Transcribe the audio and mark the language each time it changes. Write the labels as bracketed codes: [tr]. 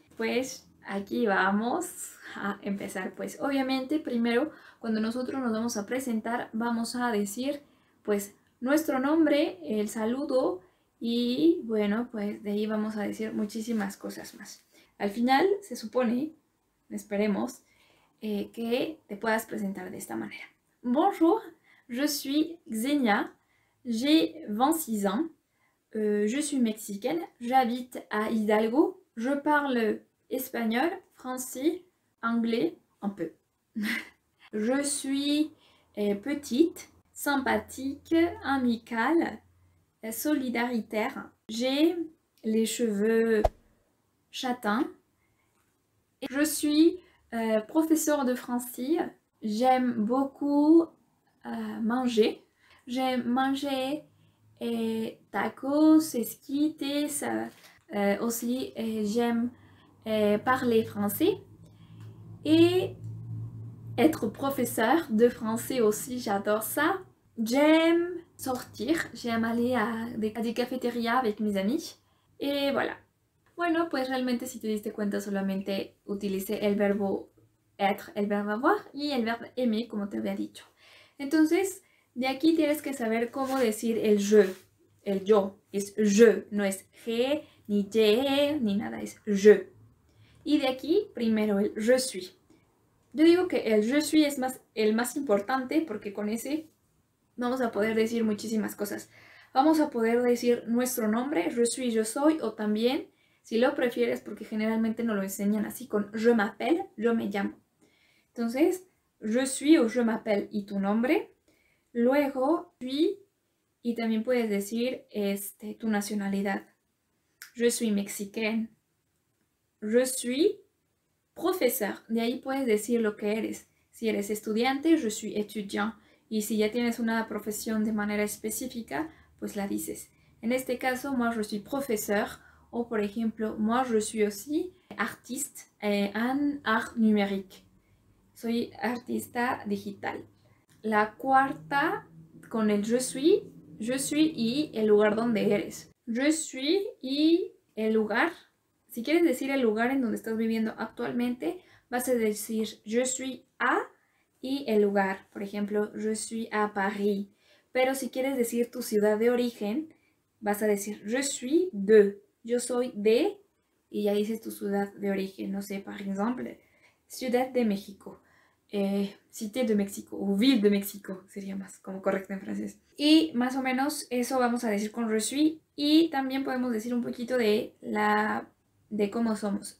[es] Pues aquí vamos a empezar. Pues obviamente, primero, cuando nosotros nos vamos a presentar, vamos a decir pues nuestro nombre, el saludo y bueno, pues de ahí vamos a decir muchísimas cosas más. Al final, se supone, esperemos, que te puedas presentar de esta manera. [fr] Bonjour, je suis Xenia, j'ai 26 ans, je suis mexicaine, j'habite à Hidalgo, je parle espagnol, français, anglais, un peu. Je suis petite, sympathique, amicale, solidaritaire, j'ai les cheveux châtains, et je suis professeure de français. J'aime beaucoup manger. J'aime manger tacos, esquites, aussi j'aime parler français et être professeur de français aussi, j'adore ça. J'aime sortir, j'aime aller à des cafétérias avec mes amis et voilà. [es] Bueno, pues realmente si te diste cuenta solamente utilicé el verbo être, el verbo avoir, y el verbo aimer, como te había dicho. Entonces, de aquí tienes que saber cómo decir el je, el yo. Es je, no es je, ni je, ni nada, es je. Y de aquí, primero el je suis. Yo digo que el je suis es más, el más importante, porque con ese vamos a poder decir muchísimas cosas. Vamos a poder decir nuestro nombre, je suis, yo soy, o también, si lo prefieres, porque generalmente nos lo enseñan así, con [fr] je m'appelle, [es] yo me llamo. Entonces, je suis o je m'appelle y tu nombre. Luego, puis, y también puedes decir tu nacionalidad. [fr] Je suis mexicaine. Je suis professeur. [es] De ahí puedes decir lo que eres. Si eres estudiante, [fr] je suis étudiant. [es] Y si ya tienes una profesión de manera específica, pues la dices. En este caso, [fr] moi je suis professeur. [es] O por ejemplo, [fr] moi je suis aussi artiste en art numérique. [es] Soy artista digital. La cuarta con el je suis y el lugar donde eres. Je suis y el lugar. Si quieres decir el lugar en donde estás viviendo actualmente, vas a decir [fr] je suis à [es] y el lugar. Por ejemplo, [fr] je suis à Paris. [es] Pero si quieres decir tu ciudad de origen, vas a decir [fr] je suis de. [es] Yo soy de y ya dices tu ciudad de origen. No sé, por ejemplo, Ciudad de México. [fr] Cité de México [es] o Ville de México sería más como correcto en francés. Y más o menos eso vamos a decir con je suis y también podemos decir un poquito de cómo somos.